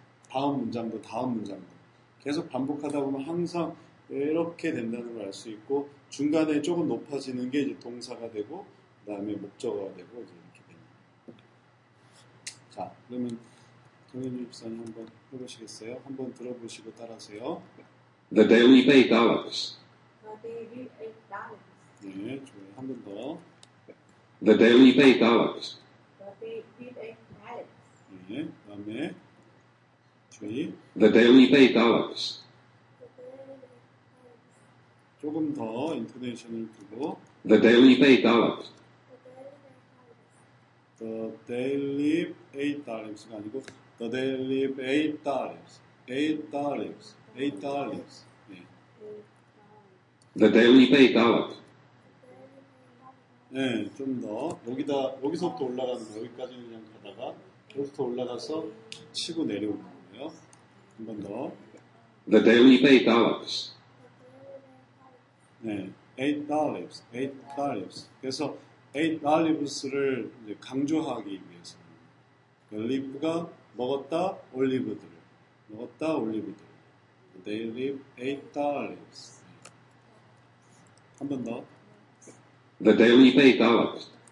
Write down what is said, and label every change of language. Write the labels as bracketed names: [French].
[Korean] 다음 문장도 다음 문장도 계속 반복하다 보면 항상 이렇게 된다는 걸 알 수 있고 중간에 조금 높아지는 게 이제 동사가 되고 그 다음에 목적어가 되고 이제 이렇게 됩니다. 자, 그러면 동현주 입사님 한번 해보시겠어요? 한번 들어보시고 따라하세요. [English] The daily eight dollars. The daily eight dollars. [Korean] 네, 좋아요. 한 번 더. [English] The daily eight olives. The daily eight olives. [Korean] 네, 다음에 주의. [English] The daily eight olives. The daily eight olives. [Korean] 조금 더 인터내셔널 두고. [English] The daily eight olives. The daily eight olives [Korean] 가 아니고 [English] the daily eight olives. Eight olives. Eight olives. 네. The daily eight olives. [Korean] 네, 좀 더. 여기다, 여기서부터 올라가는 거예요. 여기까지는 그냥 가다가, 여기서부터 올라가서 치고 내려오는 거예요. 한 번 더. [English] The daily eight olives. 네, eight olives, eight olives. [Korean] 그래서 eight olives를 이제 강조하기 위해서. 올리브가 먹었다, 올리브들. 먹었다, 올리브들. [English] The daily eight olives. [Korean] 네. 한 번 더. [English] The daily eight olives.